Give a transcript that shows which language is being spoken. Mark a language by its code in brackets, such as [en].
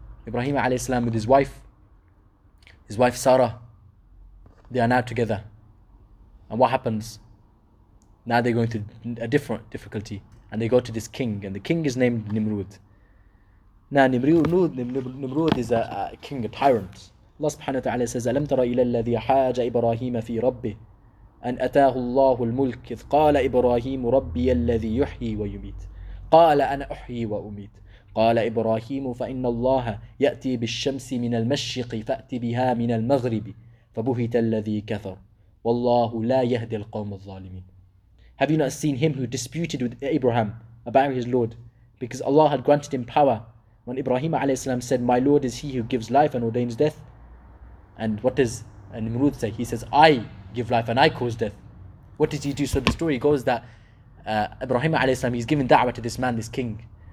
[en] Ibrahim alayhi salam with his wife Sarah, they are now together. And what happens? Now they're going through a different difficulty. And they go to this king, and the king is named Nimrud. Now Nimrud is a king, a tyrant. [ar] Allah subhanahu wa ta'ala says, أَلَمْ تَرَ إِلَى الَّذِي حَاجَ إِبْرَاهِيمَ فِي رَبِّهِ أَنْ أَتَاهُ اللَّهُ الْمُلْكِ إِذْ قَالَ إِبْرَاهِيمُ رَبِّيَ الَّذِي يُحْيِي وَيُمِيتُ قَالَ أَنَا أُحْيِي وَأُمِيتُ قال إبراهيم فإن الله يأتي بالشمس من المشرق فأتي بها من المغرب فبهت الذي كفر والله لا يهدي القوم الظالمين. [en] Have you not seen him who disputed with Abraham about his Lord? Because Allah had granted him power. When Ibrahim alayhi salam said, my Lord is he who gives life and ordains death. And what does Nimrud say? He says, I give life and I cause death. What does he do? So the story goes that Ibrahim alayhi salam, he's given da'wah to this man, this king.